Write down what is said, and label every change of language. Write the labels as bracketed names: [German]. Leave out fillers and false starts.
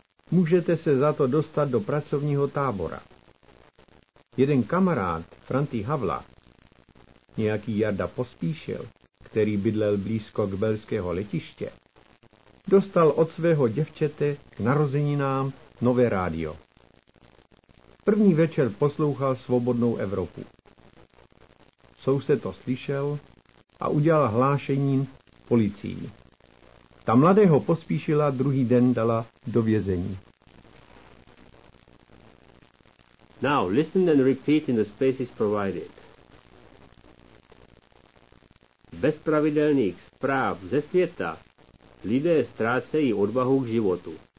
[Czech] Můžete se za to dostat do pracovního tábora. Jeden kamarád, Franti Havla, nějaký Jarda Pospíšil, který bydlel blízko k belského letiště, dostal od svého děvčete k narozeninám nové rádio. První večer poslouchal Svobodnou Evropu. Soused to slyšel a udělal hlášení policii. Ta mladého Pospíšila druhý den dala do vězení. [English] Now listen and repeat in the spaces provided. [Czech] Bez pravidelných zpráv ze světa lidé ztrácejí odvahu k životu.